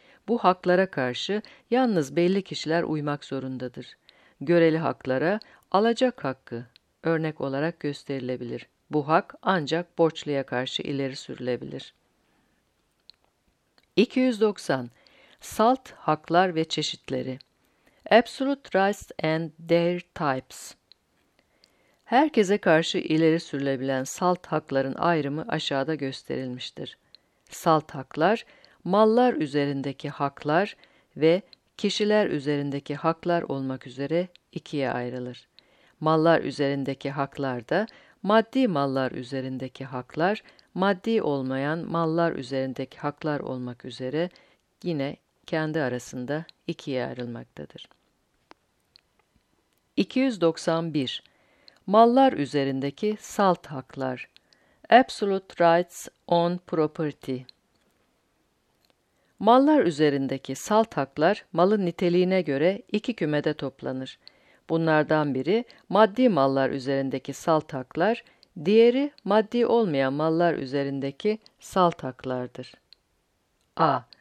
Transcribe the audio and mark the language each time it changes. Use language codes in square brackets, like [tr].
[tr] Bu haklara karşı yalnız belli kişiler uymak zorundadır. Göreli haklara alacak hakkı örnek olarak gösterilebilir. Bu hak ancak borçluya karşı ileri sürülebilir. 290. Salt haklar ve çeşitleri. [en] Absolute rights and their types. [tr] Herkese karşı ileri sürülebilen salt hakların ayrımı aşağıda gösterilmiştir. Salt haklar, mallar üzerindeki haklar ve kişiler üzerindeki haklar olmak üzere 2'ye ayrılır. Mallar üzerindeki haklar da maddi mallar üzerindeki haklar, maddi olmayan mallar üzerindeki haklar olmak üzere yine kendi arasında 2'ye ayrılmaktadır. 291. Mallar üzerindeki salt haklar. [en] Absolute rights on property. [tr] Mallar üzerindeki salt haklar malın niteliğine göre iki kümede toplanır. Bunlardan biri maddi mallar üzerindeki salt haklar, diğeri maddi olmayan mallar üzerindeki salt haklardır. A.